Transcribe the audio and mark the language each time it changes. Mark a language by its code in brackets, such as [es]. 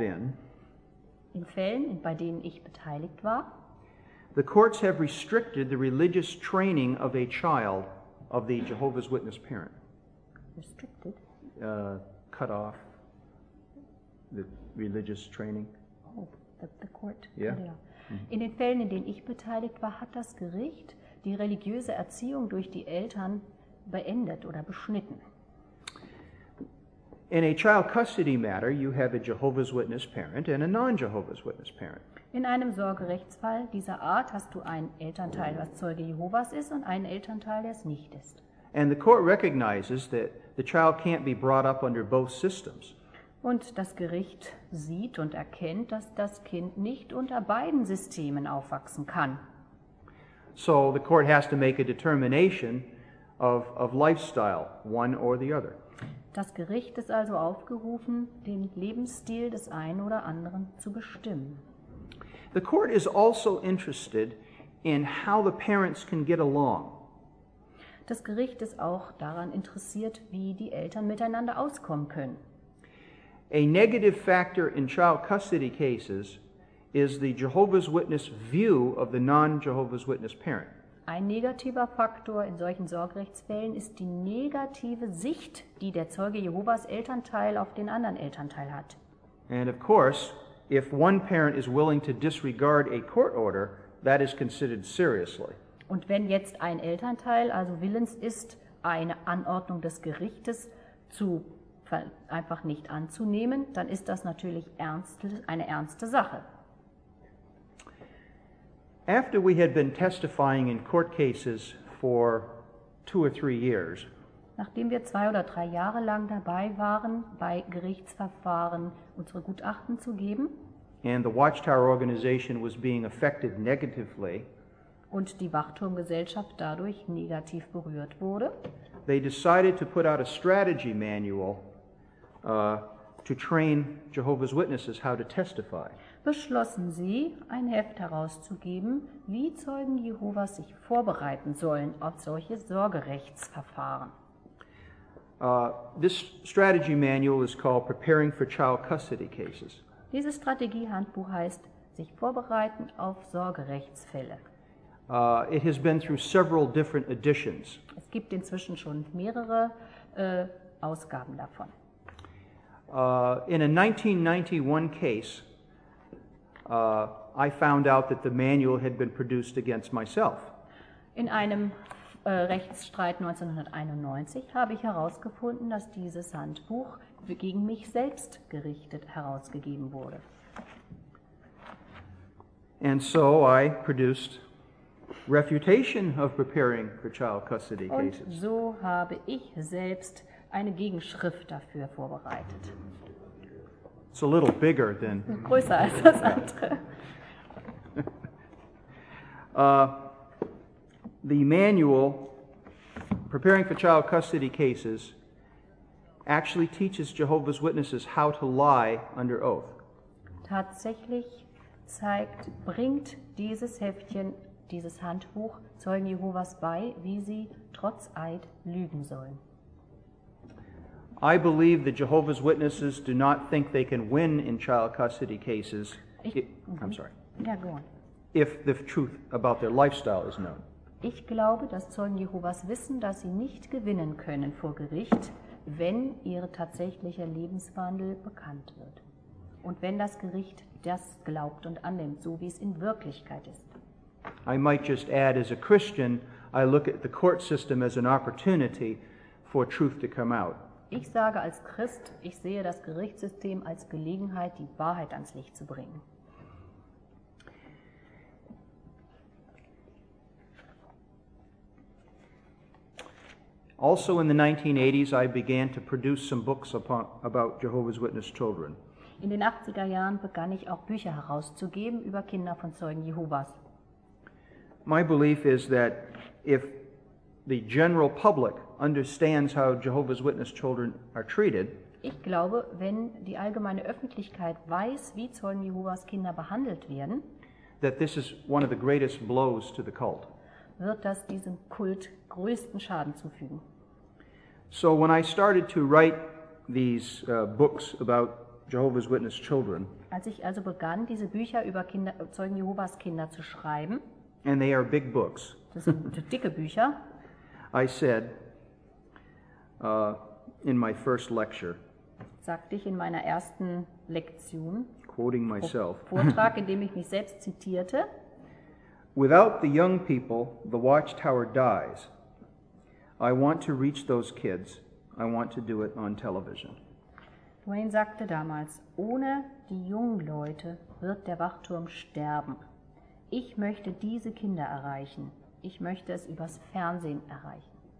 [de] in Fällen, bei denen ich beteiligt war, [en] the courts have restricted the religious training of a child of the Jehovah's Witness parent. Restricted? Cut off. The religious training. Oh, the court. Yeah. [de] In den Fällen, in denen ich beteiligt war, hat das Gericht die religiöse Erziehung durch die Eltern beendet oder beschnitten. [en] In a child custody matter, you have a Jehovah's Witness parent and a non-Jehovah's Witness parent. [de] In einem Sorgerechtsfall dieser Art hast du einen Elternteil, was Zeuge Jehovas ist, und einen Elternteil, der es nicht ist. [en] And the court recognizes that the child can't be brought up under both systems. [de] Und das Gericht sieht und erkennt, dass das Kind nicht unter beiden Systemen aufwachsen kann. [en] So the court has to make a determination of lifestyle, one or the other. [de] Das Gericht ist also aufgerufen, den Lebensstil des einen oder anderen zu bestimmen. [en] The court is also interested in how the parents can get along. [de] Das Gericht ist auch daran interessiert, wie die Eltern miteinander auskommen können. [en] A negative factor in child custody cases is the Jehovah's Witness view of the non-Jehovah's Witness parent. [de] Ein negativer Faktor in solchen Sorgerechtsfällen ist die negative Sicht, die der Zeuge Jehovas Elternteil auf den anderen Elternteil hat. [en] And of course, if one parent is willing to disregard a court order, that is considered seriously. [de] Und wenn jetzt ein Elternteil also willens ist, eine Anordnung des Gerichtes zu einfach nicht anzunehmen, dann ist das natürlich eine ernste Sache. [en] After we had been testifying in court cases for 2 or 3 years, [de] nachdem wir 2 oder 3 Jahre lang dabei waren, bei Gerichtsverfahren unsere Gutachten zu geben, [en] and the Watchtower organization was being affected negatively, [de] und die Wachturmgesellschaft dadurch negativ berührt wurde, [en] they decided to put out a strategy manual to train Jehovah's Witnesses how to testify. [de] Beschlossen sie, ein Heft herauszugeben, wie Zeugen Jehovas sich vorbereiten sollen auf solche Sorgerechtsverfahren. [en] This strategy manual is called Preparing for Child Custody Cases. [de] Dieses Strategiehandbuch heißt sich vorbereiten auf Sorgerechtsfälle. [en] It has been through several different editions. [de] Es gibt inzwischen schon mehrere Ausgaben davon. [en] In a 1991 case, I found out that the manual had been produced against myself. [de] In einem Rechtsstreit 1991 habe ich herausgefunden, dass dieses Handbuch gegen mich selbst gerichtet herausgegeben wurde. [en] And so I produced refutation of preparing for child custody cases. [de] Und so habe ich selbst eine Gegenschrift dafür vorbereitet. [en] It's a little bigger than... [de] Größer als das andere. [en] The manual, Preparing for Child Custody Cases, actually teaches Jehovah's Witnesses how to lie under oath. [de] Tatsächlich bringt dieses Heftchen, dieses Handbuch, Zeugen Jehovas bei, wie sie trotz Eid lügen sollen. [en] I believe the Jehovah's Witnesses do not think they can win in child custody cases. If the truth about their lifestyle is known. [de] Ich glaube, dass Zeugen Jehovas wissen, dass sie nicht gewinnen können vor Gericht, wenn ihr tatsächlicher Lebenswandel bekannt wird. Und wenn das Gericht das glaubt und annimmt, so wie es in Wirklichkeit ist. [en] I might just add, as a Christian, I look at the court system as an opportunity for truth to come out. [de] Ich sage als Christ, ich sehe das Gerichtssystem als Gelegenheit, die Wahrheit ans Licht zu bringen. [en] Also in the 1980s I began to produce some books about Jehovah's Witness children. [de] In den 80er Jahren begann ich auch Bücher herauszugeben über Kinder von Zeugen Jehovas. [en] My belief is that if the general public understands how Jehovah's Witness children are treated. [de] Ich glaube, wenn die allgemeine Öffentlichkeit weiß, wie Zeugen Jehovas Kinder behandelt werden, [en] that this is one of the greatest blows to the cult. [de] Wird das diesem Kult größten Schaden zufügen. [en] So when I started to write these books about Jehovah's Witness children, [de] als ich also begann, diese Bücher über Kinder, Zeugen Jehovas Kinder zu schreiben, [en] and they are big books, [de] das sind dicke Bücher, [en] I said, in my first lecture, [de] sagte ich in meiner ersten Lektion, [en] quoting myself, [de] Vortrag, in dem ich mich selbst zitierte, [en] Without the young people, the watchtower dies. I want to reach those kids. I want to do it on television. [de] Dwayne sagte damals, ohne die jungen Leute wird der Wachturm sterben. Ich möchte diese Kinder erreichen. Ich möchte es übers Fernsehen erreichen.